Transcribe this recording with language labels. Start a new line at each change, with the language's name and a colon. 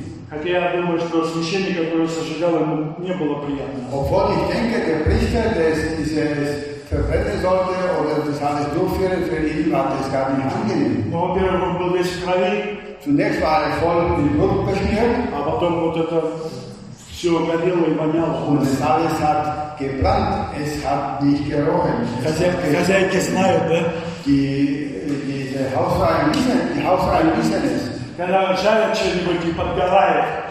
Russian: Хотя я думаю, что священник, который сожигал, ему не было приятно.
German: Obwohl ich denke, der Priester, der dieses verbrennen sollte oder das alles durchführen, für ihn war das gar nicht angenehm.
Russian: Во-первых, он был весь в крови.
German: Zunächst war er voll mit Blut beschmiert.
Russian: А потом вот это все горело и воняло.
German: Und es alles hat gebrannt, es hat nicht gerochen.
Russian: Хозяйки знают, да?
German: Die Hausfrauen wissen es.
Russian: Когда жарят что-нибудь и подгорает.